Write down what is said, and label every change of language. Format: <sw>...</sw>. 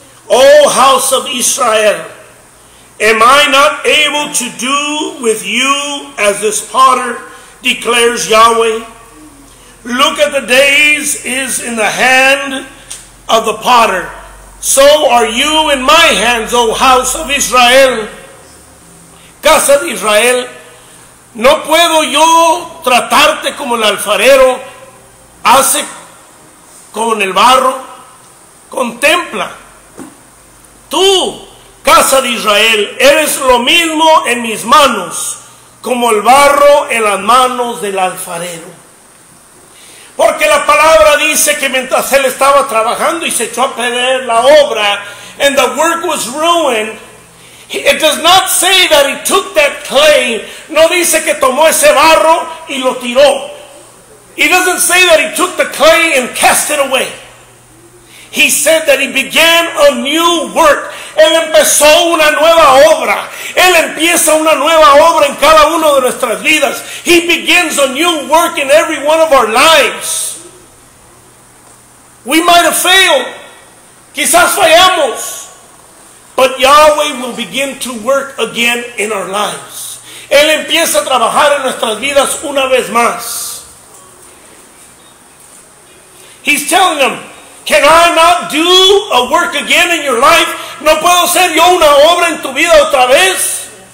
<en>O house of Israel, am I not able to do with you as this potter declares Yahweh? Look at the days is in the hand of the potter, so are you in my hands, O house of Israel.</en> <es>Casa de Israel, no puedo yo tratarte como el alfarero hace con el barro. Contempla, tú, casa de Israel, eres lo mismo en mis manos como el barro en las manos del alfarero. Porque la palabra dice que mientras él estaba trabajando y se echó a perder la obra,</es> <en>and the work was ruined, it does not say that he took that clay.</en> <es>No dice que tomó ese barro y lo tiró.</es> <en>It doesn't say that he took the clay and cast it away. He said that he began a new work.</en> <es>Él empezó una nueva obra. Él empieza una nueva obra en cada uno de nuestras vidas.</es> <en>He begins a new work in every one of our lives. We might have failed.</en> <es>Quizás fallamos.</es> <en>But Yahweh will begin to work again in our lives.</en> <es>Él empieza a trabajar en nuestras vidas una vez más.</es> <en>He's telling them, can I not do a work again in your life?</en> <es>¿No puedo hacer yo una obra en tu vida otra vez?</es>